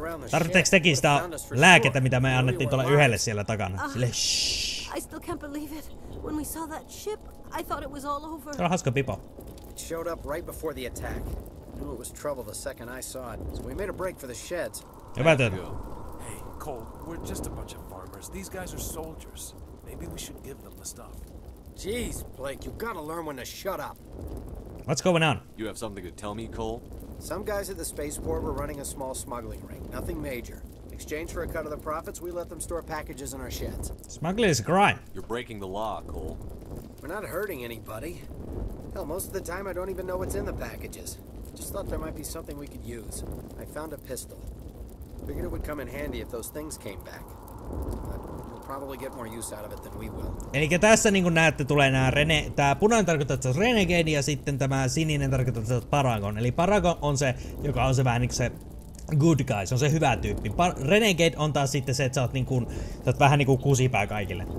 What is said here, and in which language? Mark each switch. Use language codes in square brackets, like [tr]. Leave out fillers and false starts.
[fi] Tarvitteeks tekin sitä lääkettä, mitä me annettiin tuolla yhdelle siellä takana? Sille [en] I still can't believe it. When we saw that ship, I thought it was all over. Rahaska pipa. It showed up right before the attack. Knew it was trouble the second I saw it, so we made a break for the sheds. Hey, Cole, we're just a bunch of farmers. These guys are soldiers. Maybe we should give them the stuff. Jeez, Blake, you gotta learn when to shut up. What's going on? You have something to tell me, Cole? Some guys at the spaceport were running a small smuggling ring. Nothing major. In exchange for a cut of the profits, we let them store packages in our sheds. Smuggling is a crime. You're breaking the law, Cole. We're not hurting anybody. Hell, most of the time I don't even know what's in the packages. Just thought there might be something we could use. I found a pistol. Figured it would come in handy if those things came back. But we'll probably get more use out of it than we will. [fi] Eli tässä niin kuin näette tulee nämä rene... Tää punainen tarkoittaa, että se on renegade, ja sitten tämä sininen tarkoittaa, että se on paragon. Eli paragon on se, joka on se vähän niin kuin se [en] good guy, [fi] se on se hyvä tyyppi. Renegade on taas sitten se, että sä oot niin kuin, sä oot vähän niin kuin kusipää kaikille.